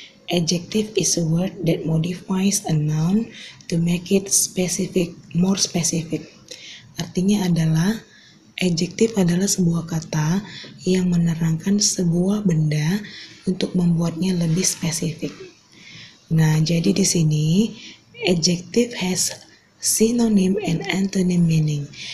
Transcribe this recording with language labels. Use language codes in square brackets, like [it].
[en] Adjective is a word that modifies a noun to make it specific, more specific. [id] Artinya adalah adjektif adalah sebuah kata yang menerangkan sebuah benda untuk membuatnya lebih spesifik. Nah, jadi di sini adjektif [en] has synonym and antonym meaning.